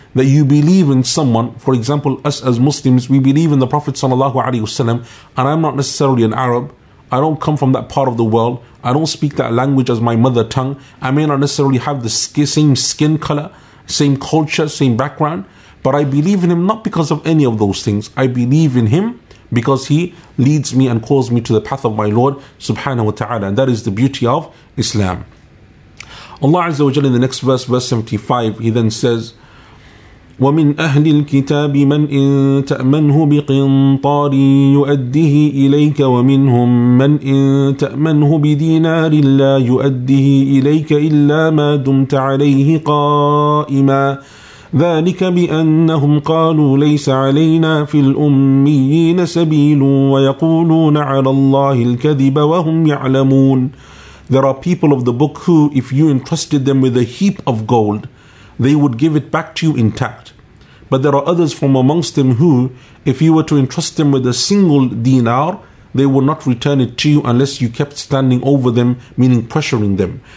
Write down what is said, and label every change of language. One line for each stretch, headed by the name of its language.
English: That you believe in someone, for example, us as Muslims, we believe in the Prophet
Arabic: sallallahu alayhi wa sallam,
English: and I'm not necessarily an Arab, I don't come from that part of the world, I don't speak that language as my mother tongue, I may not necessarily have the same skin color, same culture, same background, but I believe in Him not because of any of those things. I believe in Him because He leads me and calls me to the path of my Lord
Arabic: subhanahu wa ta'ala.
English: And that is the beauty of Islam. Allah
Arabic: Azza wa Jalla
English: in the next verse 75, He then says,
Arabic: ومن أهل الكتاب من إن تأمنه بقنطار يؤده إليك ومنهم من إن تأمنه بدينار لا يؤده إليك إلا ما دمت عليه قائما ذلك بأنهم قالوا ليس علينا في الأميين سبيل ويقولون على الله الكذب وهم يعلمون.
English: There are people of the book who, if you entrusted them with a heap of gold, they would give it back to you intact. But there are others from amongst them who, if you were to entrust them with a single dinar, they would not return it to you unless you kept standing over them, meaning pressuring them.